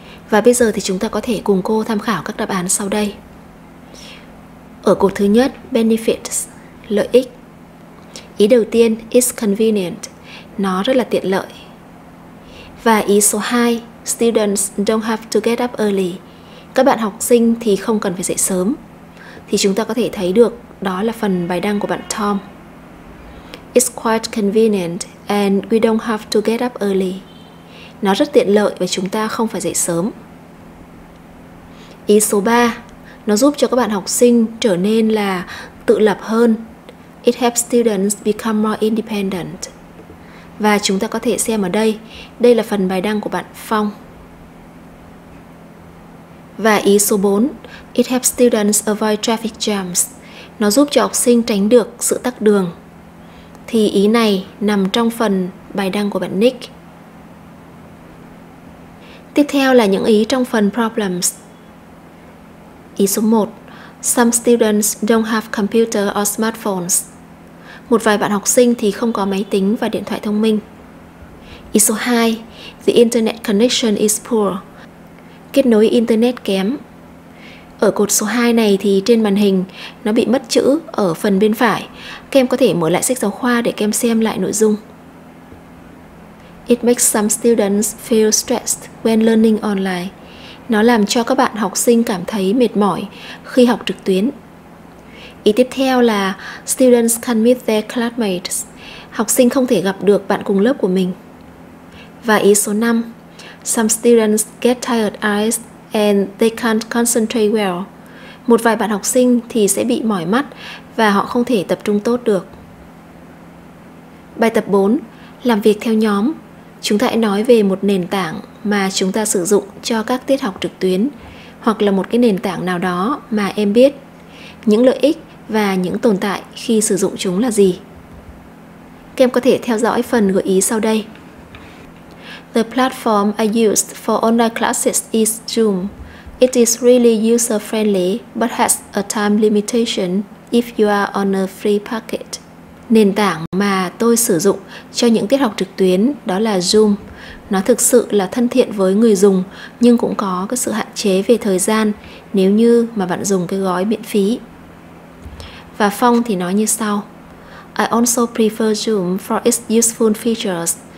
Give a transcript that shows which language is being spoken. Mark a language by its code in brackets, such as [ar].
[vi] Và bây giờ thì chúng ta có thể cùng cô tham khảo các đáp án sau đây. Ở cột thứ nhất, [en] benefits, [vi] lợi ích. Ý đầu tiên, [en] it's convenient, [vi] nó rất là tiện lợi. Và ý số 2, [en] students don't have to get up early. [vi] Các bạn học sinh thì không cần phải dậy sớm. Thì chúng ta có thể thấy được đó là phần bài đăng của bạn Tom. [en] It's quite convenient and we don't have to get up early. [vi] Nó rất tiện lợi và chúng ta không phải dậy sớm. Ý số 3, nó giúp cho các bạn học sinh trở nên là tự lập hơn. [en] It helps students become more independent. [vi] Và chúng ta có thể xem ở đây, đây là phần bài đăng của bạn Phong. Và ý số 4, [en] it helps students avoid traffic jams. [vi] Nó giúp cho học sinh tránh được sự tắc đường. Thì ý này nằm trong phần bài đăng của bạn Nick. Tiếp theo là những ý trong phần problems. Ý số 1, [en] some students don't have computer or smartphones. [vi] Một vài bạn học sinh thì không có máy tính và điện thoại thông minh. Ý số 2, [en] the internet connection is poor. [vi] Kết nối internet kém. Ở cột số 2 này thì trên màn hình nó bị mất chữ ở phần bên phải. Các em có thể mở lại sách giáo khoa để các em xem lại nội dung. [en] It makes some students feel stressed when learning online. [vi] Nó làm cho các bạn học sinh cảm thấy mệt mỏi khi học trực tuyến. Ý tiếp theo là [en] students can't meet their classmates. [vi] Học sinh không thể gặp được bạn cùng lớp của mình. Và ý số 5, [en] some students get tired eyes and they can't concentrate well. [vi] Một vài bạn học sinh thì sẽ bị mỏi mắt và họ không thể tập trung tốt được. Bài tập 4, làm việc theo nhóm. Chúng ta hãy nói về một nền tảng mà chúng ta sử dụng cho các tiết học trực tuyến hoặc là một cái nền tảng nào đó mà em biết những lợi ích và những tồn tại khi sử dụng chúng là gì. Các em có thể theo dõi phần gợi ý sau đây. [en] The platform I used for online classes is Zoom. It is really user-friendly but has a time limitation if you are on a free package. [vi] Nền tảng mà tôi sử dụng cho những tiết học trực tuyến đó là Zoom. Nó thực sự là thân thiện với người dùng, nhưng cũng có cái sự hạn chế về thời gian nếu như mà bạn dùng cái gói miễn phí. Và Phong thì nói như sau: [en] I also prefer Zoom for its useful features.